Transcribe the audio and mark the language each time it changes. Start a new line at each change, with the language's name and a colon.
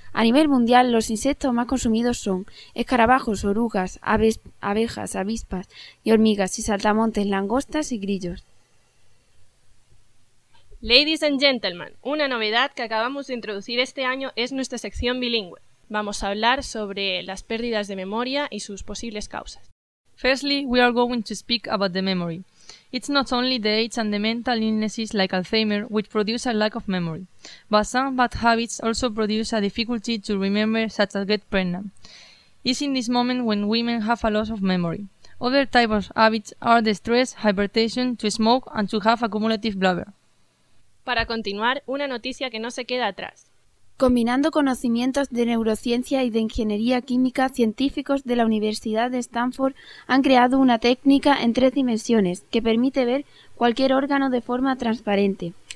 Spanish: A nivel mundial, los insectos más consumidos son escarabajos, orugas, aves, abejas, avispas y hormigas, y saltamontes, langostas y grillos.
English: Ladies and gentlemen,
Spanish: una novedad que acabamos de introducir este año es nuestra sección bilingüe. Vamos a hablar sobre las pérdidas de memoria y sus posibles causas.
English: Firstly, we are going to speak about the memory. It's not only the age and the mental illnesses like Alzheimer's which produce a lack of memory, but some bad habits also produce a difficulty to remember, such as get pregnant. It's in this moment when women have a loss of memory. Other types of habits are the stress, hypertension, to smoke and to have a cumulative blubber.
Spanish: Para continuar, una noticia que no se queda atrás. Combinando conocimientos de neurociencia y de ingeniería química, científicos de la Universidad de Stanford han creado una técnica en tres dimensiones que permite ver cualquier órgano de forma transparente.